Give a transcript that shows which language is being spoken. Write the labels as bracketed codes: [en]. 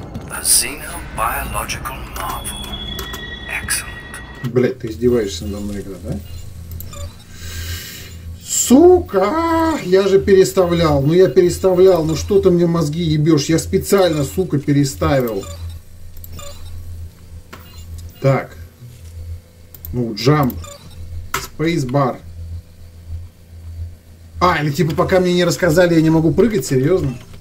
[en] A xenobiological novel. Excellent. [ru] Блядь, ты издеваешься надо мной, когда, да? Сука, я же переставлял, ну я переставлял, ну что ты мне мозги ебешь, я специально, сука, переставил. Так, ну, jump, space bar. А, или типа пока мне не рассказали, я не могу прыгать, серьезно?